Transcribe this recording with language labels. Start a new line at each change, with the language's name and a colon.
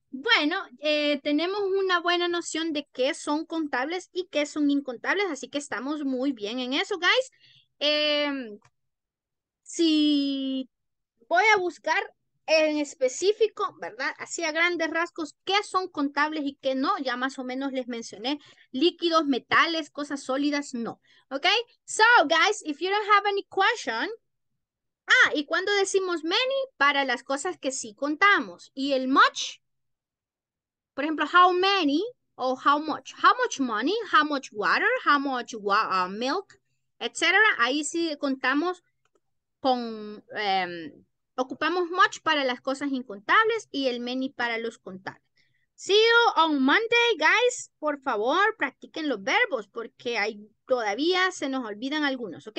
Spanish: Bueno, tenemos una buena noción de qué son contables y qué son incontables, así que estamos muy bien en eso, guys. Si voy a buscar en específico, ¿verdad? Así a grandes rasgos, qué son contables y qué no. Ya más o menos les mencioné líquidos, metales, cosas sólidas, no. ¿Ok?
English: So, guys, if you don't have any question...
Spanish: Ah, y cuando decimos many, para las cosas que sí contamos. Y el much... Por ejemplo, how many o how much.
English: How much money, how much water, how much milk, etc.
Spanish: Ahí sí contamos con... ocupamos much para las cosas incontables y el many para los contables.
English: See you on Monday, guys.
Spanish: Por favor, practiquen los verbos porque hay, todavía se nos olvidan algunos, ¿ok?